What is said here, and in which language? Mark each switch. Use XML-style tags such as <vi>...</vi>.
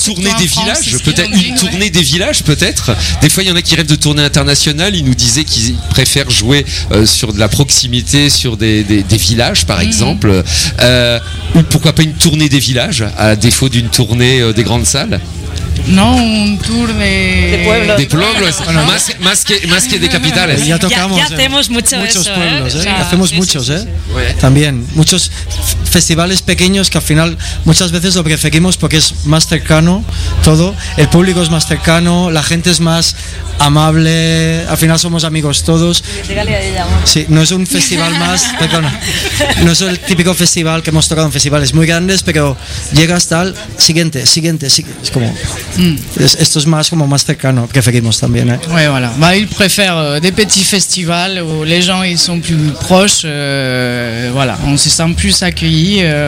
<fr>Tourner des villages, peut-être. Des fois, il y en a qui rêvent de tournée internationale. Ils nous disaient qu'ils préfèrent jouer sur de la proximité, sur des villages, par exemple. Ou pourquoi pas une tournée des villages, à défaut d'une tournée des grandes salles. Non, un tour de</fr> <es>pueblos. De pueblos, bueno, más que de capitales. Ya tocamos. Ya hacemos muchos eso, pueblos. ¿Eh? Ya, hacemos sí, muchos, sí, ¿eh? Sí, sí. También. Muchos festivales pequeños que al final muchas veces lo preferimos porque es más cercano todo. El público es más cercano, la gente es más amable, al final somos amigos todos. Sí, no es un festival más, perdona, no es el típico festival que hemos tocado en festivales muy grandes, pero llega hasta el siguiente. Es como, esto es más como más cercano, preferimos también.</es> <fr>Oui, voilà. Bah, il préfère des petits festivals où les gens ils sont plus proches, voilà, on se sent plus accueillis.</fr>